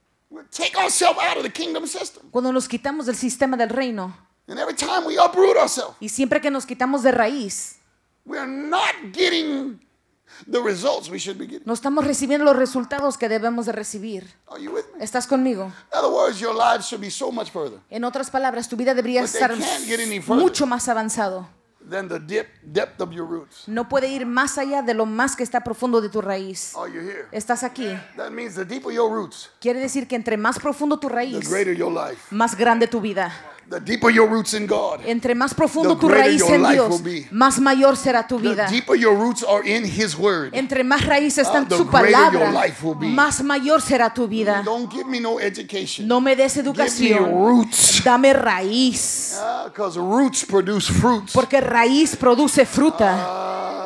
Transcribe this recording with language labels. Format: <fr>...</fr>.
<en>We take ourselves out of the kingdom system.</en> <es>Cuando nos quitamos del sistema del reino,</es> <en>and every time we uproot ourselves,</en> <es>y siempre que nos quitamos de raíz,</es> <en>we are not getting the results we should be getting.</en> <es>No estamos recibiendo los resultados que debemos de recibir.</es> <en>Are you with me?</en> <es>¿Estás conmigo?</es> <en>In other words, your life should be so much further.</en> <es>En otras palabras, tu vida debería estar mucho más avanzado.</es> <en>Than the depth of your roots.</en> <es>No puede ir más allá de lo más que está profundo de tu raíz.</es> <en>Are you here?</en> <es>¿Estás aquí?</es> <en>That means the deeper your roots.</en> <es>Quiere decir que entre más profundo tu raíz,</es> <en>the greater your life.</en> <es>Más grande tu vida.</es> <en>The deeper your roots in God,</en> <es>entre más profundo tu raíz en Dios, más mayor será tu vida.</es> <en>The deeper your roots are in His Word,</en> <es>entre más raíces están su palabra,</es> <en>the greater your life will be.</en> <es>Más mayor será tu vida.</es> <en>Don't give me no education.</en> <es>No me des educación.</es> <en>Give me roots.</en> <es>Dame raíz.</es> <en>Because roots produce fruits.</en> <es>Porque raíz produce fruta.</es>